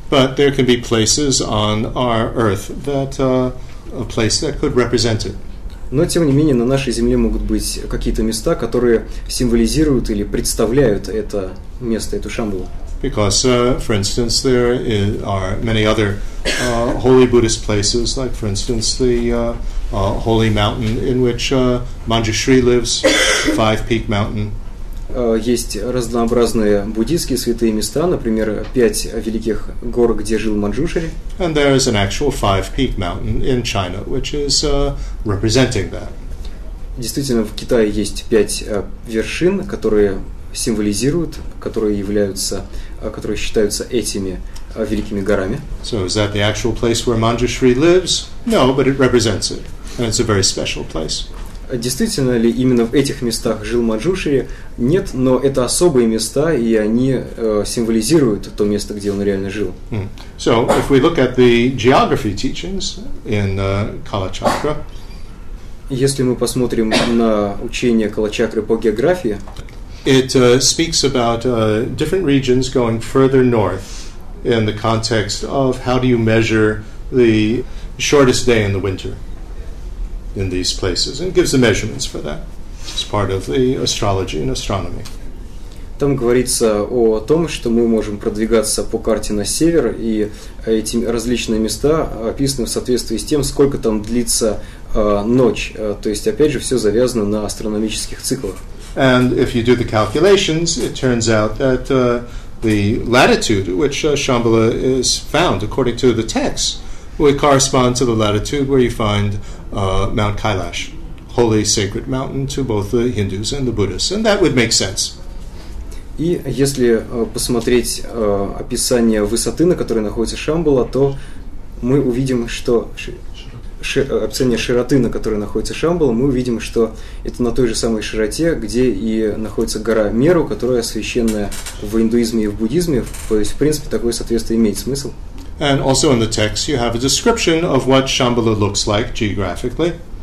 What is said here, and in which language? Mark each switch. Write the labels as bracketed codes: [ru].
[en] But there can be places on our earth that a place that could represent it. [ru] Но тем не менее на нашей земле могут быть какие-то места, которые символизируют или представляют это место, эту Шамбалу. [en] Because, for instance, there are many other holy Buddhist places, like, for instance, the holy mountain in which Manjushri lives, Five Peak Mountain. [ru] Есть разнообразные буддийские святые места, например, пять великих гор, где жил Манджушри. [en] And there is an actual Five Peak Mountain in China, which is representing that. [ru] Действительно, в Китае есть пять вершин, которые символизируют, которые являются, которые считаются этими великими горами. [en] So is that the actual place where Manjushri lives? No, but it represents it. And it's a very special place. [ru] Действительно ли именно в этих местах жил Манджушри? Нет, но это особые места, и они символизируют то место, где он реально жил. [en] So if we look at the geography teachings in Kalachakra, [ru] если мы посмотрим на учение Калачакры по географии, [en] it speaks about different regions going further north in the context of how do you measure the shortest day in the winter in these places, and gives the measurements for that. It's part of the astrology and astronomy. [ru] Там говорится о том, что мы можем продвигаться по карте на север, и эти различные места описаны в соответствии с тем, сколько там длится ночь. То есть, опять же, все завязано на астрономических циклах. [en] And if you do the calculations, it turns out that the latitude which Shambhala is found, according to the texts, would correspond to the latitude where you find Mount Kailash, holy sacred mountain to both the Hindus and the Buddhists. And that would make sense. [ru] И если посмотреть описание высоты, на которой находится Шамбала, то мы увидим, что описание широты, на которой находится Шамбала, мы увидим, что это на той же самой широте, где и находится гора Меру, которая священная в индуизме и в буддизме. То есть, в принципе, такое соответствие имеет смысл. [en] And also in the text you have a description of what Shambhala looks like geographically.